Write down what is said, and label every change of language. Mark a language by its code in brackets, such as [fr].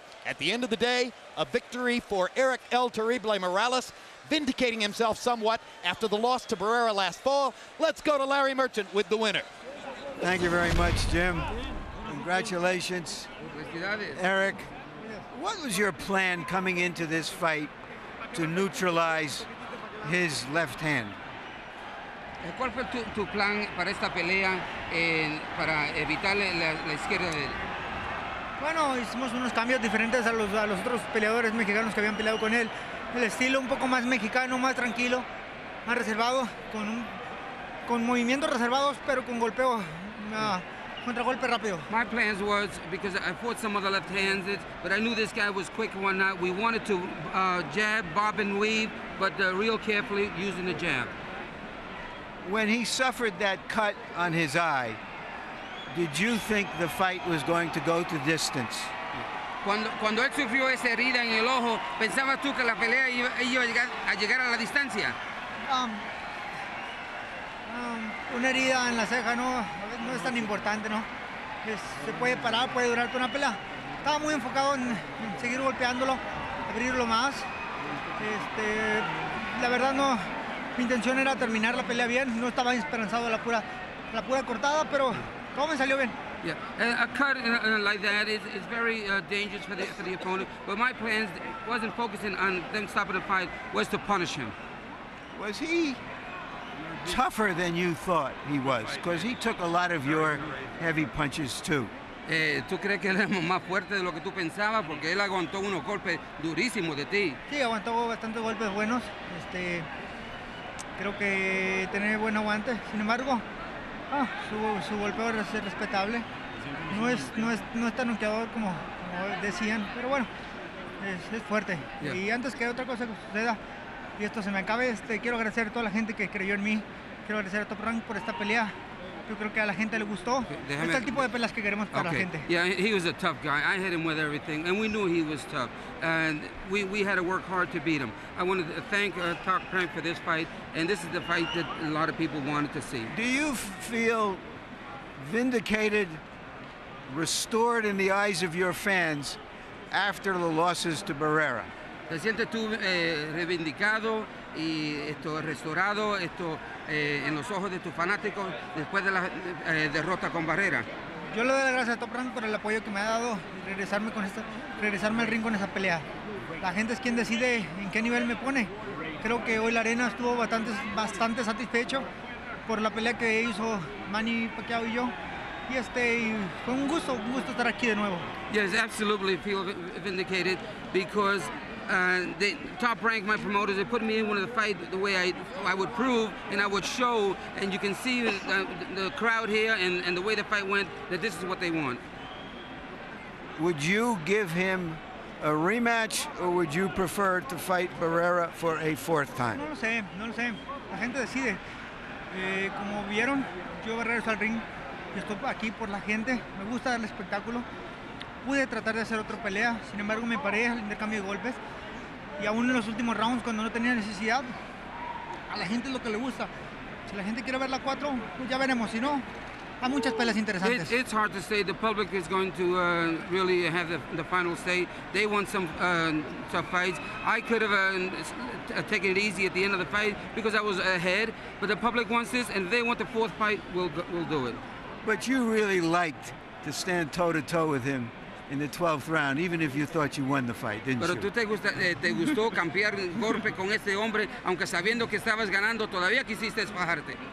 [en] At the end of the day, a victory for Erik El Terrible Morales, vindicating himself somewhat after the loss to Barrera last fall. Let's go to Larry Merchant with the winner. Thank you very much, Jim. Congratulations. Erik, what was your plan coming into this fight to neutralize his left hand? [es] ¿Cuál fue tu plan para esta pelea para evitar la izquierda de él? Bueno, hicimos unos cambios diferentes a los otros peleadores mexicanos que habían peleado con él. El estilo un poco más mexicano, más tranquilo, más reservado, con movimientos reservados, pero con golpeo, contragolpe rápido. [en] My plans was, because I fought some of the left-handed, but I knew this guy was quick and whatnot. We wanted to jab, bob and weave, but real carefully using the jab. when he suffered that cut on his eye, did you think the fight was going to go to distance? [es] Cuando él sufrió esa herida en el ojo, ¿pensabas tú que la pelea iba a llegar a la distancia? Una herida en la ceja no es tan importante, ¿no? Se puede parar, puede durar una pelea. Estaba muy enfocado en seguir golpeándolo, abrirlo más. La verdad no, mi intención era terminar la pelea bien. No estaba esperanzado en la pura cortada, pero todo me salió bien. [en] Yeah, a cut like that is very dangerous for the opponent. But my plan wasn't focusing on them stopping the fight, was to punish him. Was he tougher than you thought he was? Because he took a lot of your heavy punches too. [es] ¿Tú crees que él es más fuerte de lo que tú pensabas? Porque él aguantó unos golpes durísimos de ti. Sí, aguantó bastantes golpes buenos. Creo que tiene buen aguante. Sin embargo, su golpeo es respetable. No es tan noqueador como decían, pero bueno, es fuerte. Yeah. Y antes que otra cosa que suceda, y esto se me acabe, quiero agradecer a toda la gente que creyó en mí. Quiero agradecer a Top Rank por esta pelea. Yo creo que a la gente le gustó. Okay, este es el tipo de peleas que queremos para la gente. [en] Yeah, he was a tough guy. I hit him with everything, and we knew he was tough. And we had to work hard to beat him. I want to thank Top Rank for this fight, and this is the fight that a lot of people wanted to see. Do you feel vindicated, restored in the eyes of your fans after the losses to Barrera? [es] ¿Te sientes tú reivindicado y restaurado en los ojos de tus fanáticos después de la derrota con Barrera? Yo le doy las gracias a Top Rank por el apoyo que me ha dado y regresarme al ring con esa pelea. La gente es quien decide en qué nivel me pone. Creo que hoy la arena estuvo bastante satisfecho por la pelea que hizo Manny, Pacquiao y yo. Y fue un gusto estar aquí de nuevo. [en] Yes, absolutely feel vindicated because the Top Rank, my promoters, they put me in one of the fights the way I would prove and I would show, and you can see the crowd here and the way the fight went, that this is what they want. Would you give him a rematch or would you prefer to fight Barrera for a fourth time? [es] No lo sé. La gente decide. Como vieron, yo regreso al ring. Yo estoy aquí por la gente. Me gusta dar el espectáculo. Pude tratar de hacer otra pelea, sin embargo me paré al intercambio de golpes y aún en los últimos rounds cuando no tenía necesidad, a la gente es lo que le gusta. Si la gente quiere ver la 4, pues ya veremos, si no, hay muchas peleas interesantes. [en] It's hard to say, the public is going to really have the final say. They want some tough fights. I could have taken it easy at the end of the fight because I was ahead, but the public wants this and if they want the fourth fight, we'll do it. But you really liked to stand toe-to-toe with him in the 12th round, even if you thought you won the fight, didn't [es] pero [en] you? [es] Pero tú te gustó cambiar golpe con este hombre, aunque sabiendo que estabas ganando, todavía quisiste bajarte.